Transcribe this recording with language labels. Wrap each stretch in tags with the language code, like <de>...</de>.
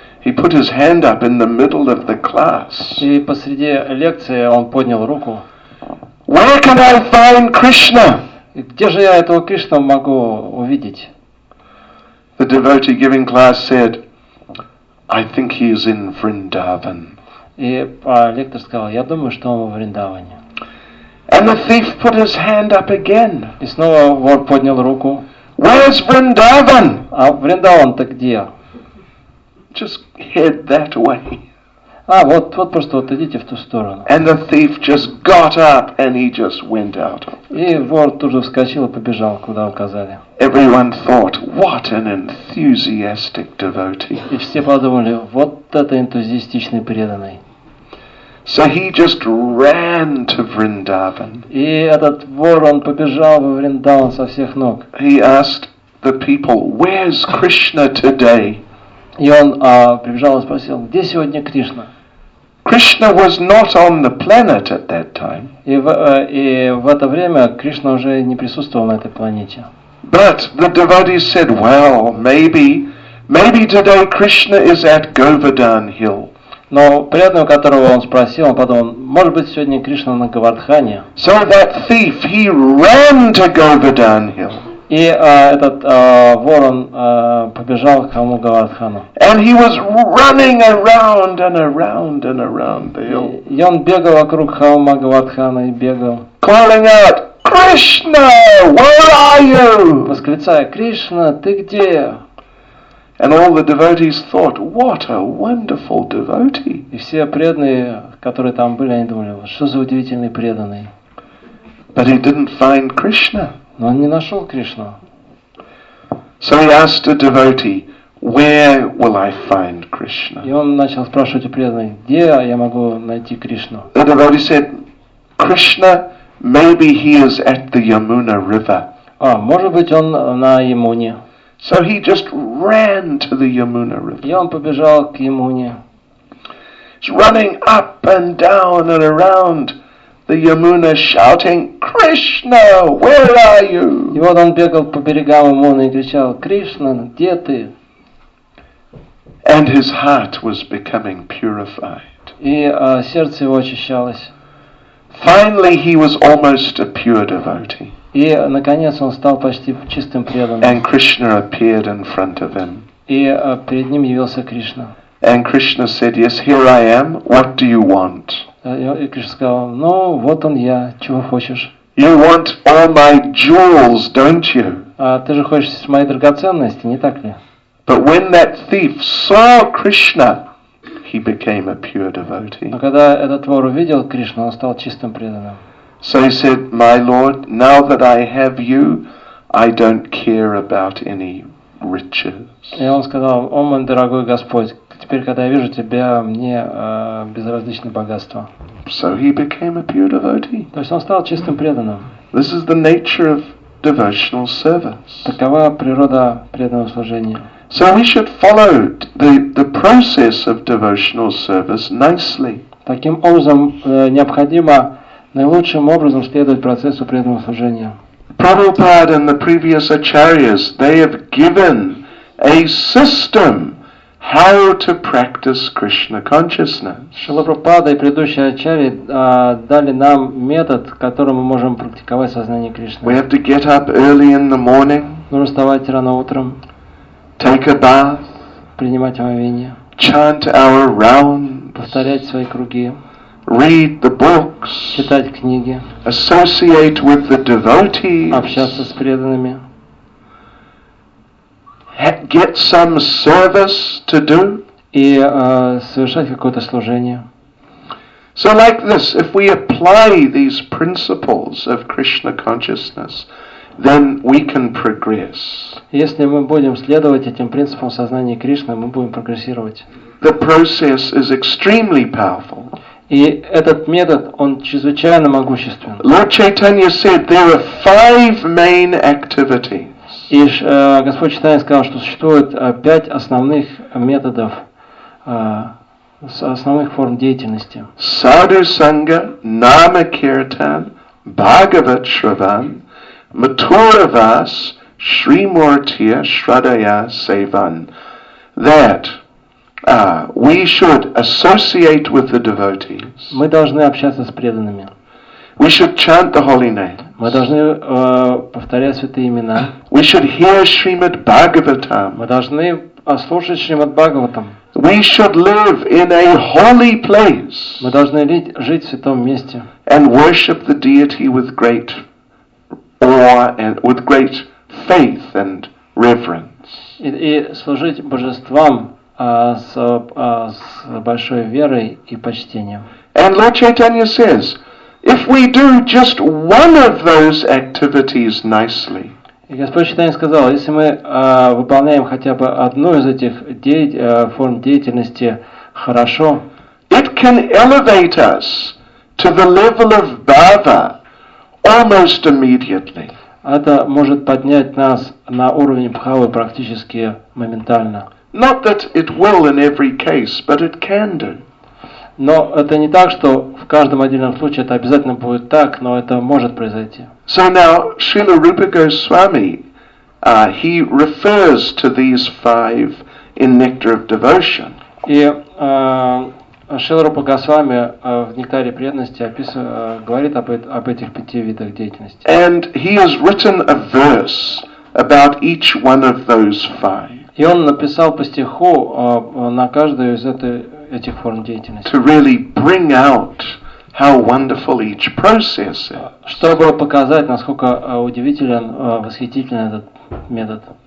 <en>He put his hand up in the middle of the class.</en> <ru>И посреди лекции он поднял руку.</ru> <en>Where can I find Krishna?</en> <ru>Где же я этого Кришну могу увидеть?</ru> <en>The devotee giving class said, I think he is in Vrindavan.</en> <ru>И лектор сказал, я думаю, что он в Вриндаване.</ru> <en>And the thief put his hand up again.</en> <ru>И снова вор поднял руку.</ru> <en>Where is Vrindavan?</en> <ru>А Вриндаван-то где?</ru> <en>Just head that way.</en> <ru>А вот, вот просто вот идите в ту сторону.</ru> <en>And the thief just got up and he just went out.</en> <ru>И вор тут же вскочил и побежал, куда указали.</ru> <en>Everyone thought, what an enthusiastic devotee.</en> <ru>И все подумали, вот это энтузиастичный преданный.</ru> <en>So he just ran to Vrindavan.</en> <ru>И этот вор, он побежал во Вриндаван со всех ног.</ru> <en>He asked the people, where's Krishna today?</en> <ru>И он прибежал и спросил, где сегодня Кришна?</ru> <en>Krishna was not on the planet at that time.</en> <ru>И в это время Кришна уже не присутствовал на этой планете.</ru> <en>But the devotees said, well, maybe today Krishna is at Govardhan Hill.</en> <ru>Но преданный, у которого он спросил, он подумал, может быть, сегодня Кришна на Говардхане.</ru> <en>So that thief, he ran to Govardhan Hill.</en> <ru>И этот ворон побежал к холму Говардхана.</ru> <en>And he was running around and around and around the hill.</en> <ru>И он бегал вокруг холма Говардхана и бегал.</ru> <en>Calling out, Krishna, where are you?</en> <ru>Восклицая, Кришна, ты где?</ru> <en>And all the devotees thought, what a wonderful devotee.</en> <ru>И все преданные, которые там были, они думали, что за удивительный преданный.</ru> <en>But he didn't find Krishna.</en> <ru>Но он не нашел Кришну.</ru> <en>So he asked a devotee, where will I find Krishna?</en> <ru>И он начал спрашивать у преданных, где я могу найти Кришну?</ru> <en>The devotee said, Krishna, maybe he is at the Yamuna River.</en> <ru>А, может быть, он на Ямуне.</ru> <en>So he just ran to the Yamuna River.</en> <ru>И он побежал к Ямуне.</ru> <en>He's running up and down and around the Yamuna shouting, Krishna, where are you?</en> <ru>И вот он бегал по берегам Ямуны и кричал, Кришна, где ты?</ru> <en>And his heart was becoming purified.</en> <ru>И сердце его очищалось.</ru> <en>Finally, he was almost a pure devotee.</en> <ru>И наконец он стал почти чистым преданным.</ru> <en>And Krishna appeared in front of him.</en> <ru>И перед ним явился Кришна.</ru> <en>And Krishna said, yes, here I am, what do you want?</en> <ru>И Кришна сказал, ну, вот он я, чего хочешь?</ru> <en>You want all my jewels, don't you?</en> <ru>А ты же хочешь мои драгоценности, не так ли?</ru> <en>But when that thief saw Krishna, he became a pure devotee.</en> <ru>Но когда этот вор увидел Кришну, он стал чистым преданным.</ru> <en>So he said, my lord, now that I have you, I don't care about any riches.</en> <ru>И он сказал, о мой дорогой Господь, теперь, когда я вижу тебя, мне безразлично богатство.</ru> <en>So he became a pure devotee.</en> <ru>То есть он стал чистым преданным.</ru> <en>This is the nature of devotional service.</en> <ru>Такова природа преданного служения.</ru> <en>So we should follow the process of devotional service nicely.</en> <ru>Таким образом, необходимо наилучшим образом следовать процессу преданного служения.</ru> <en>Prabhupada and the previous acharyas, they have given a system how to practice Krishna consciousness.</en> <ru>Шрила Прабхупада и предыдущие ачарьи дали нам метод, которым мы можем практиковать сознание Кришны.</ru> <en>We have to get up early in the morning.</en> <ru>Нужно вставать рано утром.</ru> <en>Take a bath.</en> <ru>Принимать омовение.</ru> <en>Chant our rounds.</en> <ru>Повторять свои круги.</ru> <en>Read the books.</en> <ru>Читать книги.</ru> <en>Associate with the devotees.</en> <ru>Общаться с преданными.</ru> <en>Get some service to do.</en> <ru>И совершать какое-то служение.</ru> <en>So like this, if we apply these principles of Krishna consciousness, then we can progress.</en> <ru>Если мы будем следовать этим принципам сознания Кришны, мы будем прогрессировать.</ru> <en>The process is extremely powerful.</en> <ru>И этот метод, он чрезвычайно могуществен.</ru> <en>Lord Chaitanya said there are five main activities.</en> <ru>И Господь Чайтанья сказал, что существует пять основных методов, основных форм деятельности.</ru> <sa>Sadhu Sangha, Nama Kirtan, Bhagavat Shravan, Mathura Vas, Shri Murtiya, Shradaya Sevan.</sa> <en>That we should associate with the devotees.</en> <ru>Мы должны общаться с преданными.</ru> <en>We should chant the holy name.</en> <ru>Мы должны повторять святые имена.</ru> <en>We should hear Srimad Bhagavatam.</en> <ru>Мы должны слушать Шримад Бхагаватам.</ru> <en>We should live in a holy place.</en> <ru>Мы должны жить в святом месте.</ru> <en>And worship the deity with great awe and with great faith and reverence.</en> <ru>И служить божествам с большой верой и почтением.</ru> <en>And Lord Chaitanya says, if we do just one of those activities nicely.</en> <ru>И Господь Чайтанья сказал, если мы выполняем хотя бы одну из этих форм деятельности хорошо,</ru> <en>it can elevate us to the level of bhava almost immediately.</en> <ru>Это может поднять нас на уровень бхавы практически моментально.</ru> <en>Not that it will in every case, but it can do.</en> <ru>Но это не так, что в каждом отдельном случае это обязательно будет так, но это может произойти.</ru> <en>So now Srila Rupa Goswami, he refers to these five in Nectar of Devotion.</en> <ru>И Шрила Рупа Госвами в Нектаре преданности говорит об этих пяти видах деятельности.</ru> <en>And he has written a verse about each one of those five.</en> <ru>И он написал по стиху на каждую из этих форм деятельности.</ru> <en>To really bring out how wonderful each process is.</en> <ru>Чтобы показать, насколько удивителен, восхитительен этот метод.</ru>